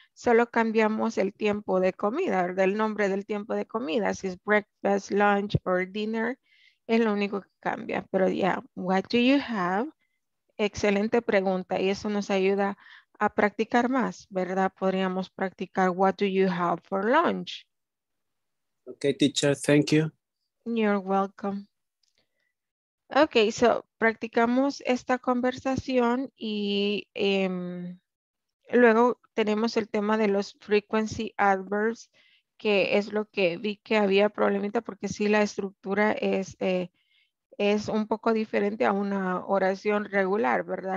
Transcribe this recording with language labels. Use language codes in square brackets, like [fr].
[es] Solo cambiamos el tiempo de comida, del nombre del tiempo de comida. Si es [en] breakfast, lunch, or dinner, [es] es lo único que cambia. Pero [en] yeah, what do you have? [es] Excelente pregunta, y eso nos ayuda a practicar más, ¿verdad? Podríamos practicar, [en] what do you have for lunch? Okay, teacher, thank you. You're welcome. [es] Okay, so practicamos esta conversación y luego tenemos el tema de los frequency adverbs, que es lo que vi que había problemita, porque sí, la estructura es un poco diferente a una oración regular, ¿verdad?